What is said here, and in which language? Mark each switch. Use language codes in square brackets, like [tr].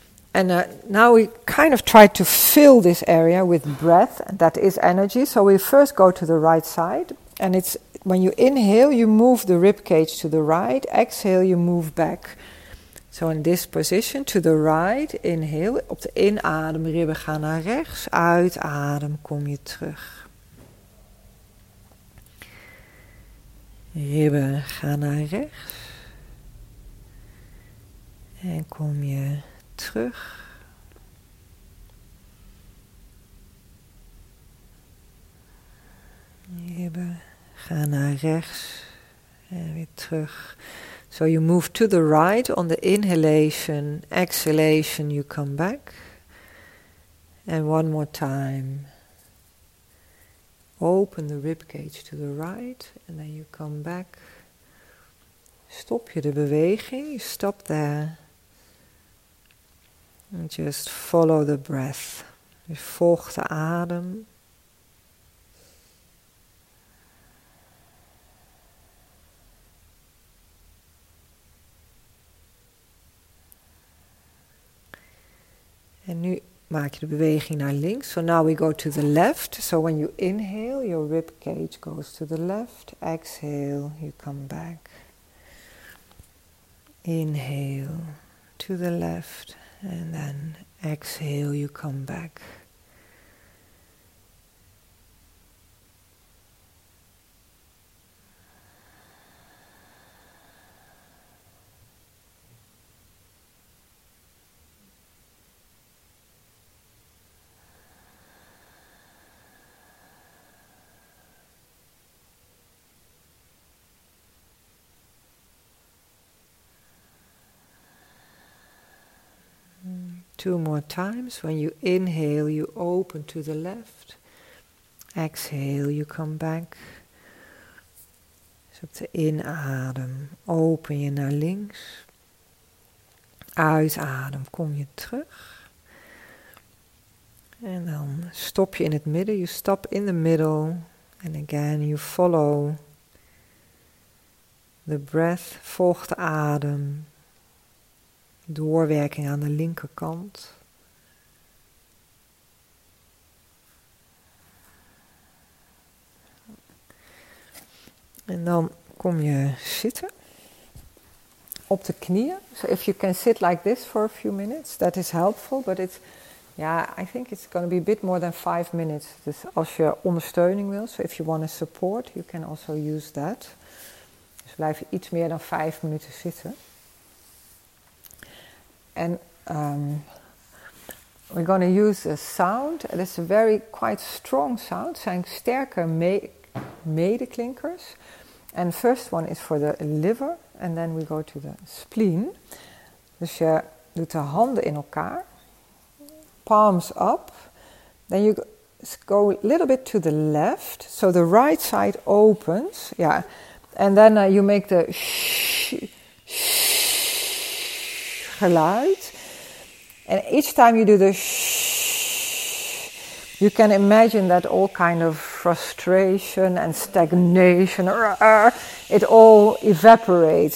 [en] And now we kind of try to fill this area with breath. And that is energy. So we first go to the right side. And it's when you inhale, you move the ribcage to the right. Exhale, you move back. So in this position, to the right, inhale. [nl] Op de inadem, ribben gaan naar rechts. Uitadem, kom je terug. Ribben gaan naar rechts. En kom je terug. Ribben gaan naar rechts. En weer terug. [en] So you move to the right on the inhalation, exhalation, you come back. And one more time. Open the ribcage to the right and then you come back. [nl] Stop je de beweging, [en] you stop there. And just follow the breath. [nl] Je volgt de adem. En nu maak je de beweging naar links. [en] So now we go to the left. So when you inhale, your rib cage goes to the left. Exhale, you come back. Inhale to the left. And then exhale, you come back. Two more times. When you inhale, you open to the left. Exhale, you come back. [nl] Dus op de inadem, open je naar links. Uitadem, kom je terug. En dan stop je in het midden. [en] You stop in the middle. And again, you follow [nl] De breath volgt de adem. Doorwerking aan de linkerkant. En dan kom je zitten. Op de knieën. [en] So if you can sit like this for a few minutes, that is helpful. But it's, yeah, I think it's going to be a bit more than 5 minutes. [nl] Dus als je ondersteuning wil, [en] so if you want a support, you can also use that. [nl] Dus blijf je iets meer dan 5 minuten zitten. [en] And we're going to use a sound. And it's a very quite strong sound. [nl] Het zijn sterke medeklinkers. [en] And first one is for the liver. And then we go to the spleen. [nl] Dus je doet de handen in elkaar. [en] Palms up. Then you go a little bit to the left. So the right side opens. Yeah. And then you make the sh geluid. And each time you do the sh, you can imagine that all kind of frustration and stagnation, it all evaporates.